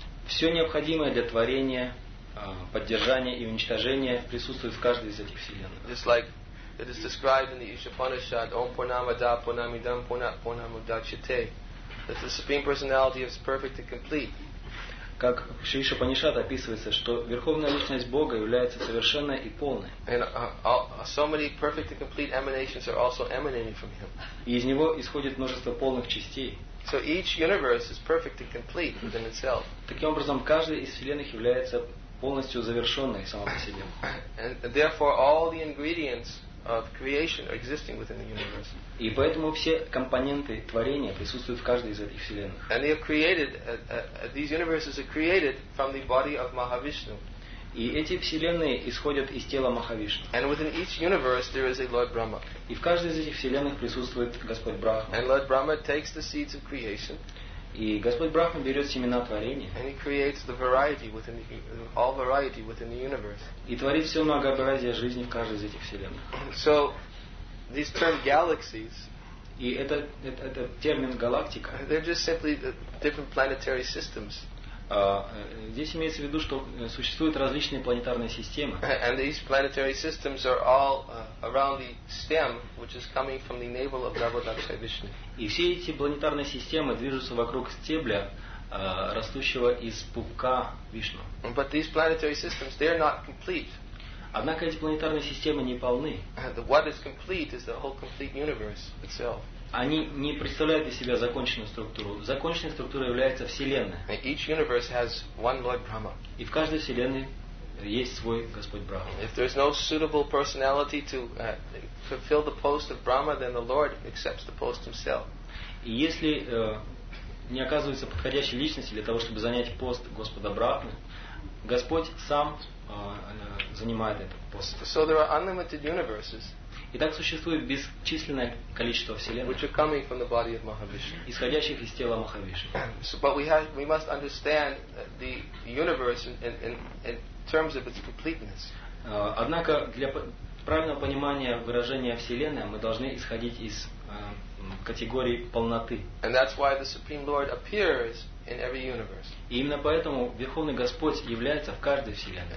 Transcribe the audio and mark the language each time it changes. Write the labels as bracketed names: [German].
[Russian] Все необходимое для творения, поддержание и уничтожение присутствует в каждой из этих вселенных. [English] Just like it is described in the Upanishad, [Sanskrit] Om Purnamada Purnamidam Purnamudachyate, [English] that the Supreme Personality is perfect and complete. [Russian] Как в Шри Шупанишад описывается, что Верховная Личность Бога является совершенной и полной. [English] And so many perfect and complete emanations are also emanating from Him. [Russian] И из Него исходит множество полных частей. [English] So each universe is perfect and complete within itself. [Russian] Таким образом, каждая из вселенных является полностью завершенной сама по себе. [English] And therefore, all the ingredients of creation are existing within the universe. [Russian] И поэтому все компоненты творения присутствуют в каждой из этих вселенных. [English] And they are created. These universes are created from the body of Mahavishnu. [Russian] И эти вселенные исходят из тела Махавишну. [English] And within each universe there is a Lord Brahma. [Russian] И в каждой из этих вселенных присутствует Господь Брахма. [English] And Lord Brahma takes the seeds of creation. [Russian] И Господь Брахма берет семена творения. [English] And he creates the variety within the, all variety within the universe. [Russian] И творит все многообразие жизни в каждой из этих вселенных. [English] So these term galaxies. [Russian] И это термин галактика. [English] They're just simply the different planetary systems. [Russian] Здесь имеется в виду, что существуют различные планетарные системы. [English] And these planetary systems are all around the stem, which is coming from the navel of Garbhodaksha Vishnu. [Russian] И все эти планетарные системы движутся вокруг стебля, растущего из пупка Вишну. [English] But these planetary systems, they are not complete. [Russian] Однако эти планетарные системы не полны. [English] What is complete is the whole complete universe itself. [Russian] Они не представляют из себя законченную структуру. Законченной структурой является Вселенная. [English] Each universe has one Lord Brahma. [Russian] И в каждой Вселенной есть свой Господь Брахма. [English] If there is no suitable personality to fulfill the post of Brahma, then the Lord accepts the post himself. [Russian] И если не оказывается подходящей личности для того, чтобы занять пост Господа Брахмы, Господь сам занимает этот пост. [English] So there are unlimited universes. [Russian] Итак, существует бесчисленное количество вселенных, [English] which are coming from the body of Mahavishnu. [Russian] Исходящих из тела Махавишну. [English] So, but we must understand the universe in terms of its completeness. [Russian] Однако для правильного понимания выражения вселенной мы должны исходить из категории полноты. [English] And that's why the Supreme Lord appears in every universe. [Russian] И именно поэтому Верховный Господь является в каждой вселенной.